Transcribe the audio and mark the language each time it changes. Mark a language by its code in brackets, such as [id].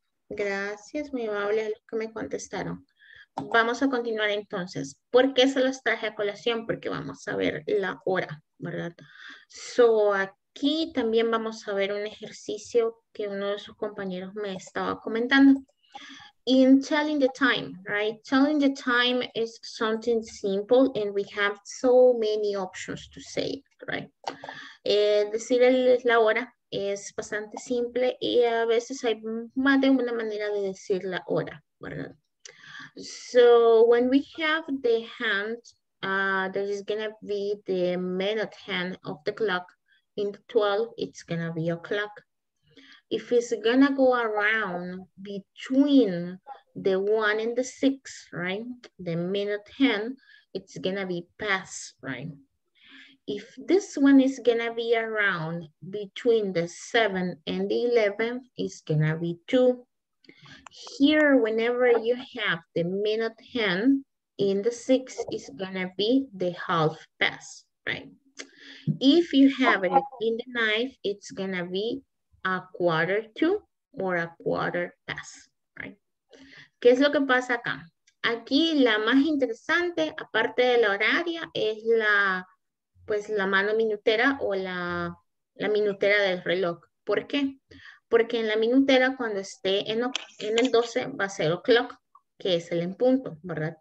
[es] Gracias, muy amable a los que me contestaron. Vamos a continuar entonces. ¿Por qué se los traje a colación? Porque vamos a ver la hora, ¿verdad? [en] So, [es] aquí también vamos a ver un ejercicio que uno de sus compañeros me estaba comentando. [en] In telling the time, right? Telling the time is something simple and we have so many options to say, right? [es] Decir la hora es bastante simple y a veces hay más de una manera de decir la hora, ¿verdad? [en] So when we have the hand, there is gonna be the minute hand of the clock. In the 12, it's gonna be o'clock. If it's gonna go around between the one in the six, right? The minute hand, it's gonna be past, right? If this one is gonna be around between the 7 and the 11, it's gonna be 2. Here, whenever you have the minute hand in the 6, it's gonna be the half past, right? If you have it in the 9, it's gonna be a quarter to or a quarter past, right? [es] ¿Qué es lo que pasa acá? Aquí la más interesante, aparte de la horaria, es la, pues, la mano minutera o la minutera del reloj. ¿Por qué? Porque en la minutera, cuando esté en el 12, va a ser o'clock, que es el en punto, ¿verdad?